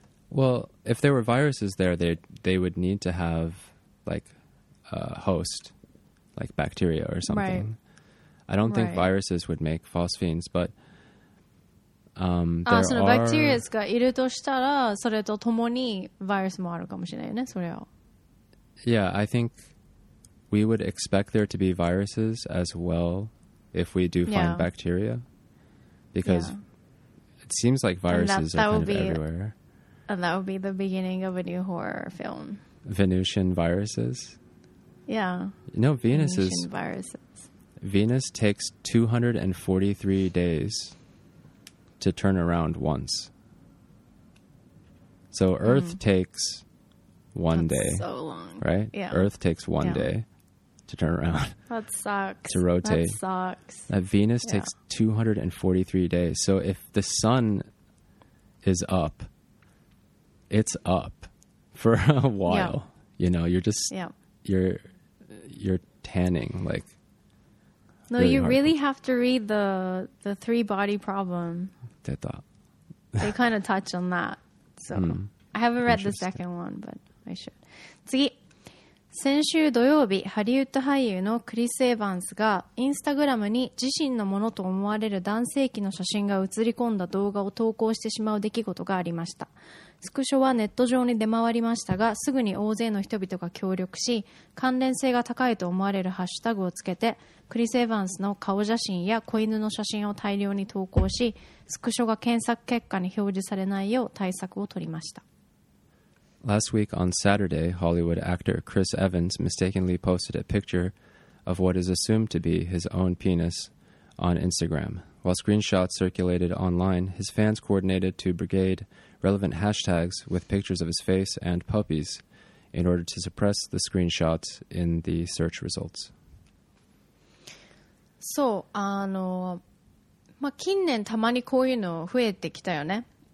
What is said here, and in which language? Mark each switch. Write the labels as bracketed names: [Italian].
[English] Well, if there were viruses there they would need to have like a host like bacteria or something right. I don't think viruses would make phosphines but [Japanese] そのバクテリアがいるとしたらそれとともにウイルスもあるかもしれないねそれは [English] Yeah, I think we would expect there to be viruses as well if we do find bacteria because it seems like viruses are kind of everywhere and that would be the beginning of a new horror film Venusian viruses? Yeah you know, Venus Venusian is, viruses Venus takes 243 daysto turn around once. So Earth takes one That's day. So long. Right? Yeah. Earth takes one day to turn around. That sucks. To rotate. That sucks. Now, Venus takes 243 days. So if the sun is up, it's up for a while. Yeah. You know, you're just, you're tanning like No, really you really have to read the three body problem. They kind of touch on that. So I haven't read the second one, but I should. [Japanese] 次。先週土曜日、ハリウッド俳優のクリス・エヴァンスが、インスタグラムに自身のものと思われる男性器の写真が映り込んだ動画を投稿してしまう出来事がありました。スクショはネット上に出回りましたが、すぐに大勢の人々が協力し、関連性が高いと思われるハッシュタグをつけて、クリス・エヴァンスの顔写真や子犬の写真を大量に投稿し、スクショが検索結果に表示されないよう対策を取りました。 [English] Last week on Saturday, Hollywood actor Chris Evans mistakenly posted a picture of what is assumed to be his own penis on Instagram. While screenshots circulated online, his fans coordinated to brigade relevant hashtags with pictures of his face and puppies in order to suppress the screenshots in the search results. [Japanese] So, まあ、近年たまにこういうの増えてきたよね。